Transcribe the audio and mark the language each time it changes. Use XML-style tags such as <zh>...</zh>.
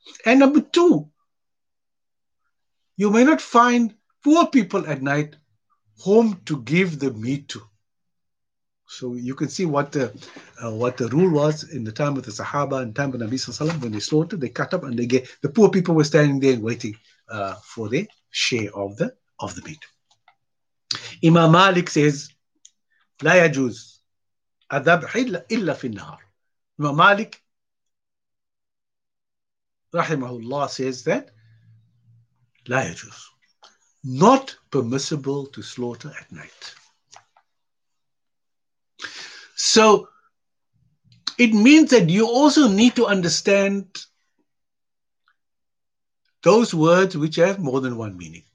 <en>And number two, you may not find poor people at night whom to give the meat to. So you can see what the rule was in the time of the Sahaba and time of Nabi Sallallahu Alaihi Wasallam. When they slaughtered, they cut up and they gave. The poor people were standing there waiting for their share of the meat. Imam Malik says,</en> <ar>لا يجوز الذبح إلا في النهار.</ar> <en>Imam Malik, rahimahullah, says that</en> <ar>لا يجوز,</ar> <en>not permissible to slaughter at night. So it means that you also need to understand those words which have more than one meaning.</en>